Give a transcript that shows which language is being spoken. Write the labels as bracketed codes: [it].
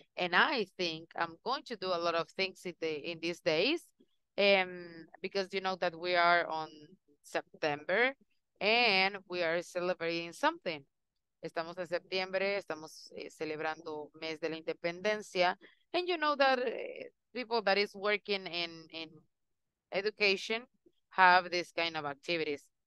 [en] And I think I'm going to do a lot of things in these days. Because you know that we are on September and we are celebrating something. [es] Estamos en septiembre, estamos celebrando mes de la independencia. [en] And you know that people that is working in education have this kind of activities.